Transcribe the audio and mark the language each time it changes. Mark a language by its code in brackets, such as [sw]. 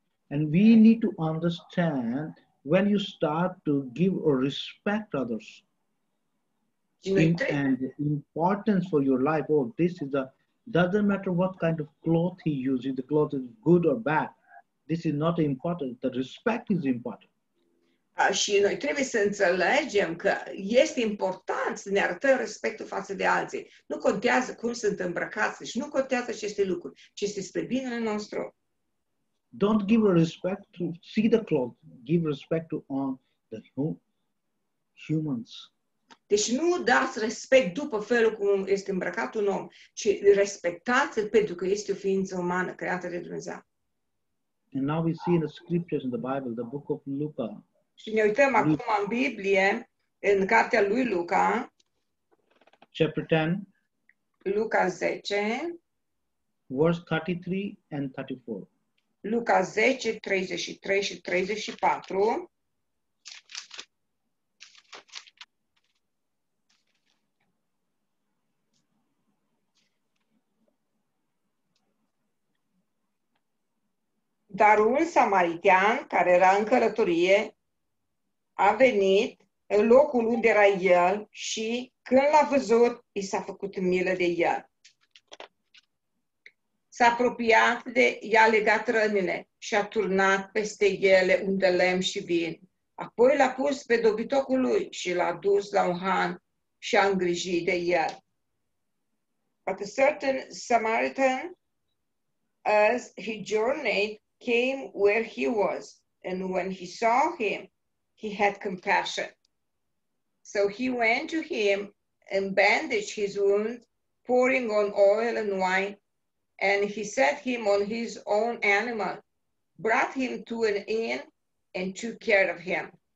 [en] And we need to understand when you start to give or respect others and importance for your life. Oh, this is a, doesn't matter what kind of cloth he uses, the cloth is good or bad. This is not important. The respect is important. [ro] Și noi trebuie să înțelegem că este important să ne arătăm respectul față de alții. Nu contează cum sunt îmbrăcați și nu contează aceste lucruri, ci este spre binele nostru. [en] Don't give respect to see the cloth. Give respect to all the humans. [ro] Deci nu dați respect după felul cum este îmbrăcat un om, ci respectați-l pentru că este o ființă umană creată de Dumnezeu. [en] And now we see in the scriptures in the Bible, the book of Luca. [ro] Și ne uităm acum în Biblie, în cartea lui Luca. [en] Chapter 10. [ro] Luca 10. [en] Verse 33 and 34. [ro] Luca 10, 33 și 34. Dar un samaritean care era în călătorie a venit în locul unde era el și când l-a văzut, i s-a făcut milă de el. S-a apropiat de, i-a legat rănile și a turnat peste ele un de lemn și vin. Apoi l-a pus pe dobitocul lui și l-a dus la un han și a îngrijit de el. [en] But a certain Samaritan, as he journeyed, came where he was, and when he saw him, he had compassion. So he went to him and bandaged his wound, pouring on oil and wine, and he set him on his own animal, brought him to an inn, and took care of him.